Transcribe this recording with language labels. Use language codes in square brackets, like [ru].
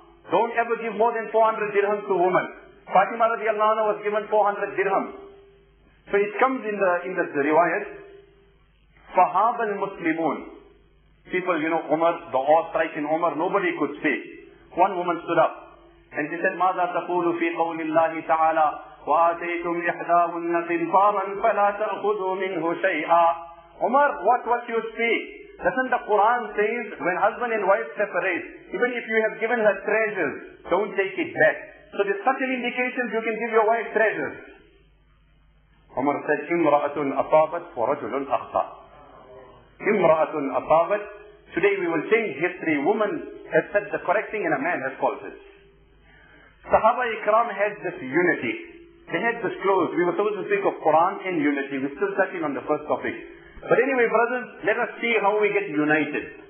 [en] Don't ever give more than 400 dirhams to women. Fatima radiallahu anhu was given 400 dirhams. So it comes in the riwayat, [ar] فهاب المسلمون. [en] People, you know, Umar, the awe strike in Umar, nobody could speak. One woman stood up. And she said, [ar] ماذا تقول في قول الله تعالى؟ وآتيتم إحداهن قنطارا فلا تأخذوا منه شيئا. [en] Umar, what you speak? Doesn't the Quran says when husband and wife separate, even if you have given her treasures, don't take it back. So there's such an indication you can give your wife treasures. Umar said, [ar] امرأة أصابت ورجل أخطأ. امرأة أصابت. [en] Today we will change history. Woman has said the correct thing and a man has called it. Sahaba Ikram had this unity. They had this close. We were supposed to speak of Quran and unity. We're still touching on the first topic. But anyway, brothers, let us see how we get united.